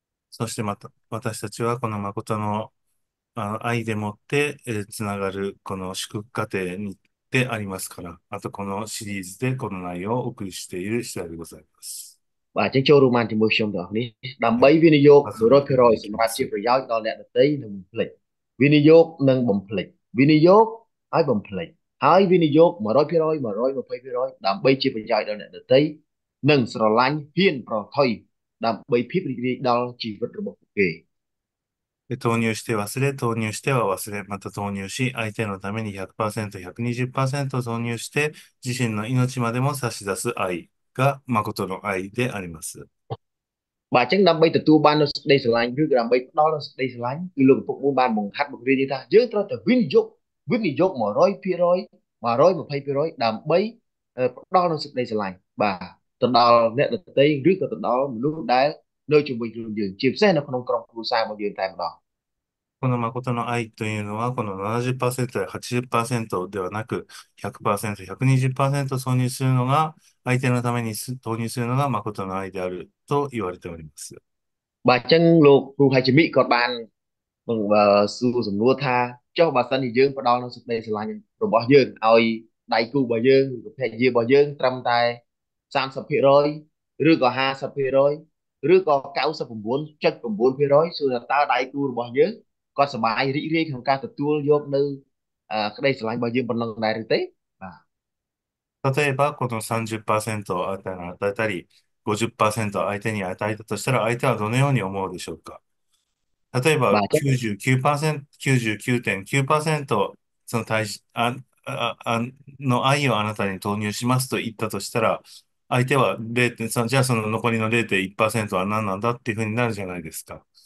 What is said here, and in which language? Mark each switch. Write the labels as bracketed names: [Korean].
[Japanese] そしてまた、私たちはこの誠の愛でもってつながるこの祝福過程にでありますから、あとこのシリーズでこの内容をお送りしている次第でございます。 [Khmer] បាទចឹងចូលរួមបានជាមួយខ្ញុំទាំងអស់នេះដើម្បីវិនិយោគ 100% សម្រាប់ជាប្រយោជន៍ដល់អ្នកដទៃនិងបំភ្លេចវិនិយោគនិងបំភ្លេចវិនិយោគហើយបំភ្លេចហើយវិនិយោគ 100% 120% ដើម្បីជាប្រយោជន៍ដល់អ្នកដទៃនិងស្រឡាញ់ហ៊ានប្រថុយដើម្បីភាពរីករាយដល់ជីវិតរបស់ពួកគេ [Japanese] で投入して忘れ、投入しては忘れ、また投入し、相手のために 100%、120% 投入して、自身の命までも差し出す愛が誠の愛であります。 [Khmer] បាទចឹងដើម្បីទទួលបាននូវសេចក្តីស្រឡាញ់ឬក៏ដើម្បីផ្ដល់នូវសេចក្តីស្រឡាញ់គឺលោកឪពុកមូនបានបង្ហាត់បង្រៀននេះថាយើងត្រូវតែវិនិយោគ 100% 120% ដើម្បីផ្ដល់នូវសេចក្តីស្រឡាញ់បាទទៅដល់អ្នកដទៃឬក៏ទៅដល់មនុស្សដែលនៅជាមួយខ្លួនយើងជាពិសេសនៅក្នុងក្រុមគ្រួសាររបស់យើងតែម្ដង [Japanese] この誠の愛というのは、この 70% や 80% ではなく、100%、120% 投入するのが、相手のために投入するのが誠の愛であると言われております。 [Khmer] បាទចឹងលោកគ្រូហាជមីក៏បានសួរសំណួរថាចុះបើសិនជាយើងផ្ដល់នូវសេចក្តីស្រឡាញ់របស់យើងឲ្យដៃគូរបស់យើងឬក៏ភរិយារបស់យើងត្រឹមតែ30%ឬក៏50% ឬក៏99.9%សួរថាតើដៃគូរបស់យើងគាត់សប្បាយរីករាយក្នុងការទទួលយកនៅក្តីស្រឡាញ់របស់យើងប៉ុណ្ណឹងដែរឬទេ? [Japanese] 例えば、この30%を相手に与えたり、50%を相手に与えたとしたら、相手はどのように思うでしょうか。例えば、99.9%、その対し、あ、あ、あ、の愛をあなたに投入しますと言ったとしたら、相手は0.3、じゃあその残りの0.1%は何なんだっていうふうになるじゃないですか。